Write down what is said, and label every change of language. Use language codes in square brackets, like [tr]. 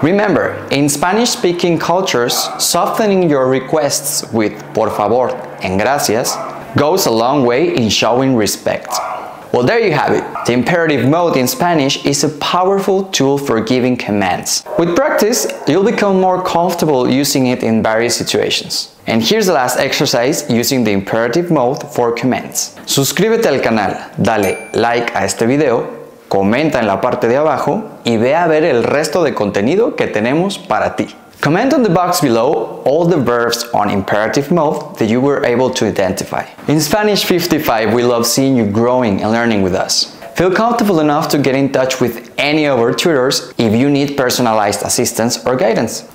[en] Remember, in Spanish-speaking cultures, softening your requests with por favor and gracias goes a long way in showing respect. Well, there you have it. The imperative mode in Spanish is a powerful tool for giving commands. With practice, you'll become more comfortable using it in various situations. And here's the last exercise using the imperative mode for commands. [es] Suscríbete al canal, dale like a este video, comenta en la parte de abajo y ve a ver el resto de contenido que tenemos para ti. [en] Comment on the box below all the verbs on imperative mode that you were able to identify. In Spanish 55, we love seeing you growing and learning with us. Feel comfortable enough to get in touch with any of our tutors if you need personalized assistance or guidance.